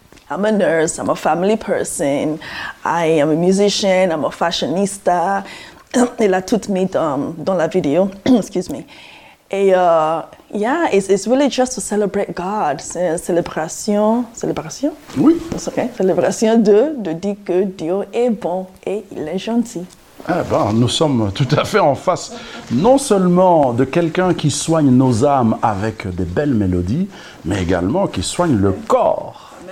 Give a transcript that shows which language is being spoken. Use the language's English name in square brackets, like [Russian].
[English] I'm a nurse, I'm a family person, I am a musician, I'm a fashionista. [French] Il a tout mis dans la vidéo, [English] excuse me. Et yeah, it's really just to celebrate God. [French] C'est une célébration? Oui. C'est okay. Célébration de dire que Dieu est bon et il est gentil. Ah ben, nous sommes tout à fait en face, non seulement de quelqu'un qui soigne nos âmes avec des belles mélodies, mais également qui soigne le corps.